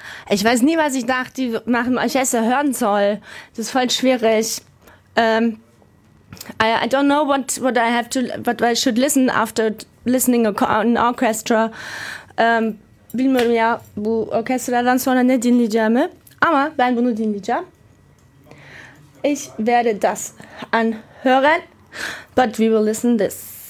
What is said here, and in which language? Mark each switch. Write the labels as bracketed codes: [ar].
[de] Ich weiß nie, was ich nach dem Orchester hören soll. Das ist voll schwierig. [en] I don't know what I should listen after listening an orchestra. [tr] Bilmiyorum ya bu orkestradan sonra ne dinleyeceğimi. Ama ben bunu dinleyeceğim. [de] Ich werde das anhören, [en] but we will listen this.